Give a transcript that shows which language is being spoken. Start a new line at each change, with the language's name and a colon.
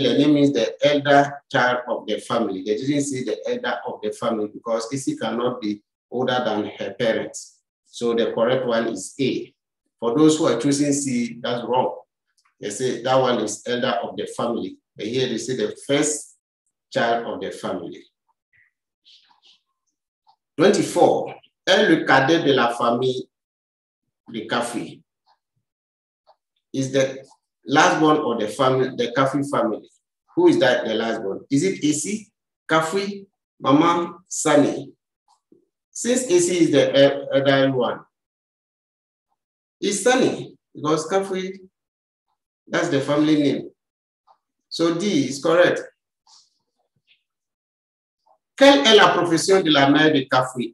English: L'aîné means the elder child of the family. They didn't say the elder of the family because AC cannot be older than her parents. So the correct one is A. For those who are choosing C, that's wrong. They say that one is elder of the family. But here they say the first child of the family. 24.
French: Est le cadet de la famille de Kafi.
English: Is the last born of the family, the Kafi family? Who is that, the last born? Is it AC, Kafi, Mama, Sunny? Since AC is the elder one, it's Sunny, because Kafi, that's the family name. So D is correct.
French: Quelle est la profession de la mère de Kafi?